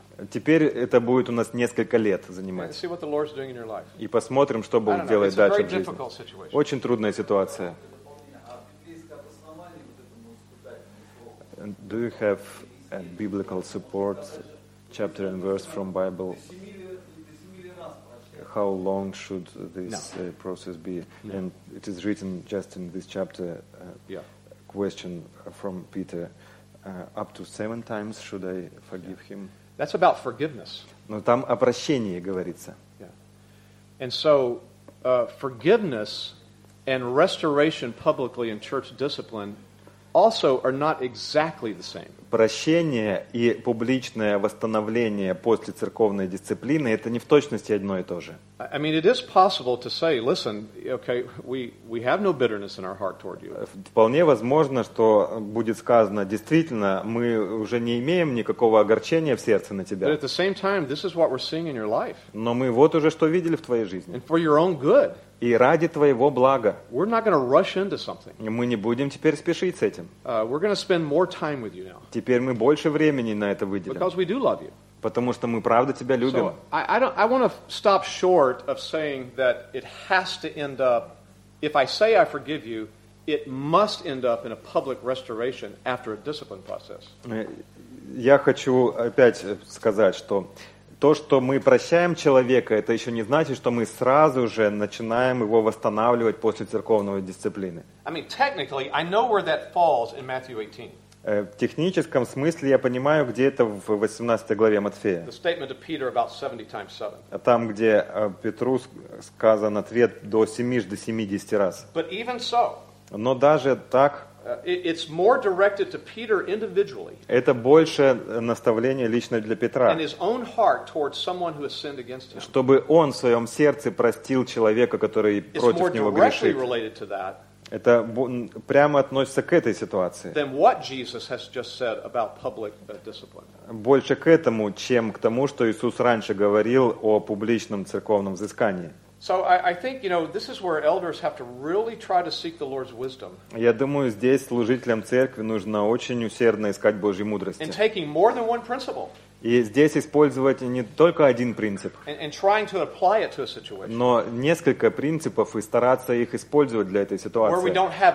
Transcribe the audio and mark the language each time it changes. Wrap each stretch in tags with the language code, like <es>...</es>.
<ru>Теперь это будет у нас несколько лет занимать. И посмотрим, что Бог делает дальше в жизни. Очень трудная ситуация.</ru> <en>Do you have a biblical support, chapter and verse from Bible? How long should this process be? No. And it is written just in this chapter, question from Peter, up to 7 times should I forgive him? That's about forgiveness.</en> <ru>Но там о прощении говорится.</ru> <en>And so forgiveness and restoration publicly in church discipline also are not exactly the same.</en> <ru>Прощение и публичное восстановление после церковной дисциплины это не в точности одно и то же.</ru> <en>I mean, it is possible to say, listen, okay, we have no bitterness in our heart toward you.</en> <ru>Вполне возможно, что будет сказано, действительно, мы уже не имеем никакого огорчения в сердце на тебя.</ru> <en>But at the same time, this is what we're seeing in your life.</en> <ru>Но мы вот уже что видели в твоей жизни.</ru> <en>And for your own good.</en> <ru>И ради твоего блага.</ru> <en>We're not going to rush into something.</en> <ru>Мы не будем теперь спешить с этим.</ru> <en>We're going to spend more time with you now.</en> <ru>Теперь мы больше времени на это выделим.</ru> <en>Because we do love you.</en> <ru>Потому что мы правда тебя любим.</ru> <en>I want to stop short of saying that it has to end up, if I say I forgive you, it must end up in a public restoration after a discipline process.</en> <ru>Я хочу опять сказать, что то, что мы прощаем человека, это еще не значит, что мы сразу же начинаем его восстанавливать после церковной дисциплины.</ru> <en>I mean, technically, I know where that falls in Matthew 18.</en> <ru>В техническом смысле я понимаю, где это в 18 главе Матфея.</ru> <en>The statement of Peter about 70 times 7.</en> <ru>Там, где Петру сказан ответ до 70 раз.</ru> <en>But even so,</en> <ru>но даже так...</ru> <en>It's more directed to Peter individually.</en> <ru>Это больше наставление лично для Петра.</ru> <en>And his own heart towards someone who has sinned against him.</en> <ru>Чтобы он в своем сердце простил человека, который против него грешит.</ru> <en>It's more directly related to that.</en> <ru>Это прямо относится к этой ситуации.</ru> <en>Than what Jesus has just said about public discipline.</en> <ru>Больше к этому, чем к тому, что Иисус раньше говорил о публичном церковном взыскании.</ru> <en>So I think, you know, this is where elders have to really try to seek the Lord's wisdom.</en> <ru>Я думаю, здесь служителям церкви нужно очень усердно искать Божью мудрость.</ru> <en>In taking more than one principle.</en> <ru>И здесь использовать не только один принцип, но несколько принципов и стараться их использовать для этой ситуации.</ru>